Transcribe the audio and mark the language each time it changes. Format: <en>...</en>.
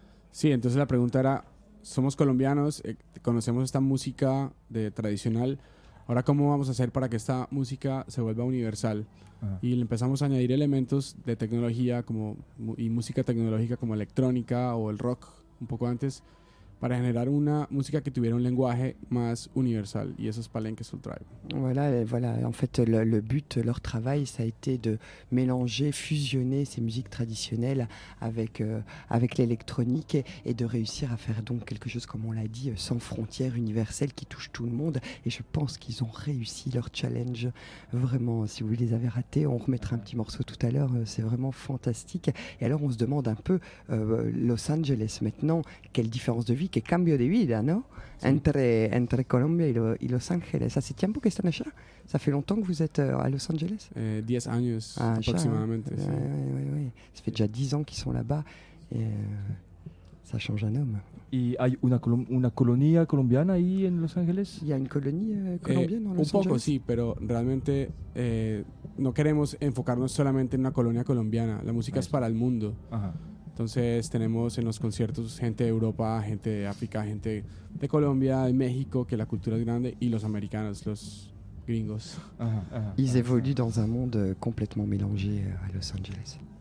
<es>Sí, entonces la pregunta era, somos colombianos, conocemos esta música de tradicional, ahora ¿cómo vamos a hacer para que esta música se vuelva universal? Ajá. Y le empezamos a añadir elementos de tecnología como, y música tecnológica como electrónica o el rock un poco antes, para generar una música que tuviera un lenguaje más universal, y eso es Palenque Soul Tribe.</es> <fr>Voilà, en fait le but de leur travail ça a été de mélanger, fusionner ces musiques traditionnelles avec avec l'électronique et de réussir à faire donc quelque chose comme on l'a dit sans frontières universelles qui touche tout le monde, et je pense qu'ils ont réussi leur challenge vraiment. Si vous les avez ratés, on remettra un petit morceau tout à l'heure, c'est vraiment fantastique. Et alors on se demande un peu Los Angeles maintenant, quelle différence de vie,</fr> <es>qué cambio de vida, ¿no? Sí. Entre Colombia y Los Ángeles. ¿Hace tiempo que están allá?</es> <fr>¿Ça fait longtemps que vous êtes à Los Ángeles?</fr> <es>10 años aproximadamente.</es> <fr>Ça fait déjà 10 ans qu'ils sont là-bas et ça change un homme.</fr> <es>¿Y hay una colonia colombiana ahí en Los Ángeles? ¿Y hay una colonia colombiana en Los Ángeles? Un poco, sí, pero realmente no queremos enfocarnos solamente en una colonia colombiana. La música es para el mundo. Ajá. Entonces tenemos en los conciertos gente de Europa, gente de África, gente de Colombia, de México, que la cultura es grande, y los americanos, los gringos.</es> <fr>Ils évoluent dans un monde complètement mélangé à Los Angeles.</fr>